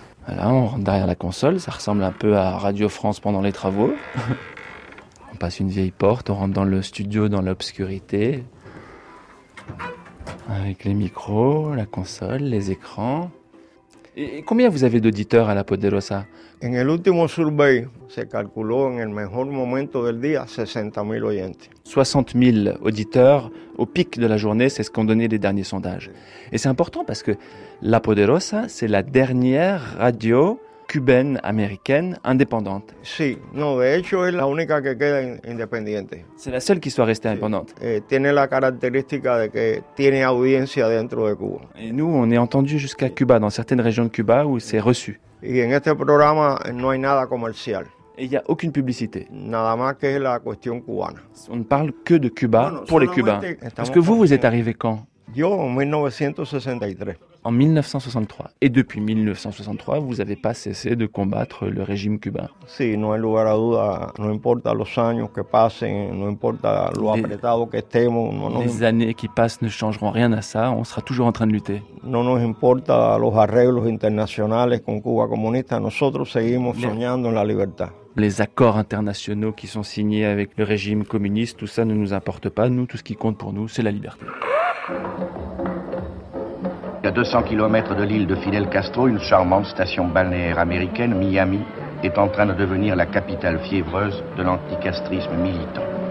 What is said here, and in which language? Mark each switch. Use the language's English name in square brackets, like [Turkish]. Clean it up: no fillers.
[French] Alors, on rentre derrière la console, ça ressemble un peu à Radio France pendant les travaux. On passe une vieille porte, on rentre dans le studio dans l'obscurité. Avec les micros, la console, les écrans. Et combien vous avez d'auditeurs à la Poderosa? [Spanish] En el último survey, se calculó en el mejor momento del día 60.000 oyentes. [French] 60.000 auditeurs au pic de la journée, c'est ce qu'ont donné les derniers sondages. Et c'est important parce que La Poderosa, c'est la dernière radio cubaine américaine indépendante. [Spanish] Sí, no, de hecho es la única que queda independiente. [French] C'est la seule qui soit restée indépendante. [Spanish] Tiene la característica de que tiene audiencia dentro de Cuba. [French] Et nous, on est entendu jusqu'à Cuba, dans certaines régions de Cuba où c'est reçu. [Spanish] Y en este programa no hay nada comercial. [French] Il n'y a aucune publicité. [Spanish] Nada más que la cuestión cubana. [French] On ne parle que de Cuba, bueno, pour les Cubains. Parce que vous, vous êtes arrivé quand? [Spanish] Yo, en 1963. [French] En 1963. Et depuis 1963, vous n'avez pas cessé de combattre le régime cubain. [Spanish] Sí, no hay lugar a duda. No importa los años que pasen, no importa lo apretado que estemos. [French] Les années qui passent ne changeront rien à ça, on sera toujours en train de lutter. [Spanish] No nos importa los arreglos internacionales con Cuba comunista, nosotros seguimos soñando en la libertad. [French] Les accords internationaux qui sont signés avec le régime communiste, tout ça ne nous importe pas. Nous, tout ce qui compte pour nous, c'est la liberté. À 200 km de l'île de Fidel Castro, une charmante station balnéaire américaine, Miami, est en train de devenir la capitale fiévreuse de l'anticastrisme militant.